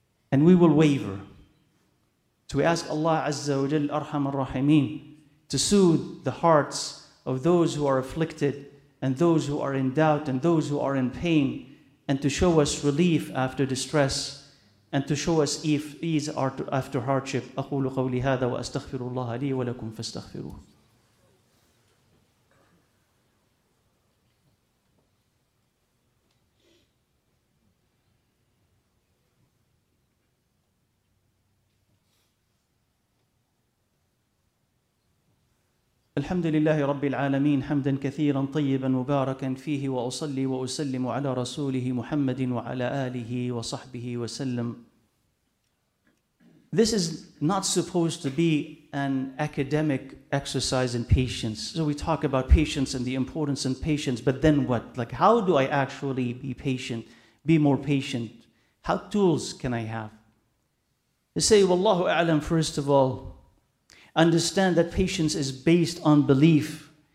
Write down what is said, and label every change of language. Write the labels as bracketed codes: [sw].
[en] And we will waver. So we ask Allah Azza wa Jal, Arham al-Rahimeen, to soothe the hearts of those who are afflicted and those who are in doubt and those who are in pain. And to show us relief after distress, and to show us ease after hardship. [ar] أقول قولي هذا وأستغفر الله لي ولكم فاستغفروه. الحمد لله رب العالمين حمدا كثيرا طيبا مباركا فيه وأصلي وأسلم على رسوله محمد وعلى آله وصحبه وسلم. [en] This is not supposed to be an academic exercise in patience. So we talk about patience and the importance in patience, but then what? Like, how do I actually be patient, be more patient? How tools can I have? They say, Wallahu A'lam, first of all, understand that patience is based on belief.